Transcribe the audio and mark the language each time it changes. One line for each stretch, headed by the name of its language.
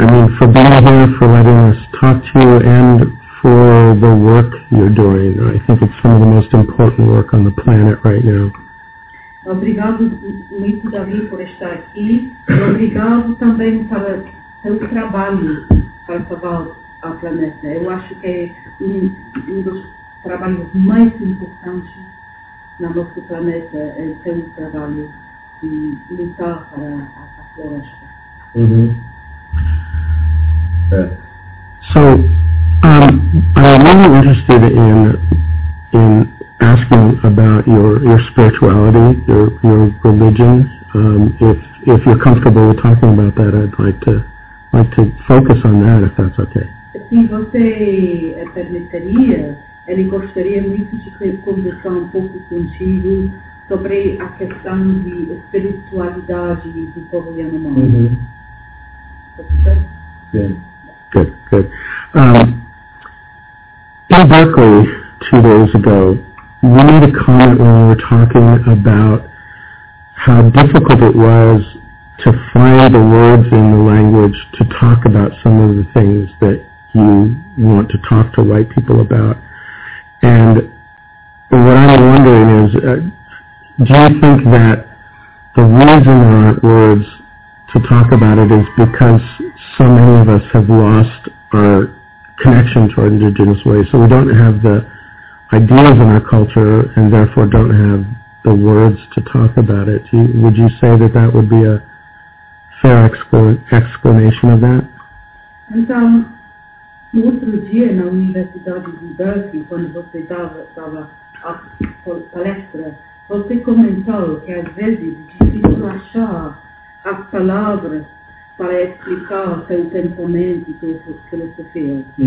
English: I mean, for being here, for letting us talk to you, and for the work you're doing. I think it's some of the most important work on the planet right now.
Portuguese: Obrigado muito, Davi, por estar aqui. Obrigado também para seu trabalho para salvar a planeta. Eu acho que é um dos trabalhos mais importantes na nossa planeta, é o seu trabalho de lutar para a floresta.
English: I'm really interested in asking about your spirituality, your religion. If you're comfortable with talking about that, I'd like to focus on that, if that's okay.
Portuguese: Se você permitiria, ele gostaria muito de conversar um pouco contigo sobre a questão de espiritualidade do povo Yanomami. Mm-hmm.
English: Good. In Berkeley 2 days ago, you made a comment when we were talking about how difficult it was to find the words in the language to talk about some of the things that you want to talk to white people about. And what I'm wondering is, do you think that the reason there aren't words to talk about it is because so many of us have lost our connection to our indigenous ways, so we don't have the ideas in our culture and therefore don't have the words to talk about it? Would you say that that would be a fair explanation of that?
Portuguese: Então, no outro dia, na Universidade de Berkeley, quando você estava a palestra, você comentou que às vezes é difícil achar as palavras para explicar seu pensamento e sua filosofia.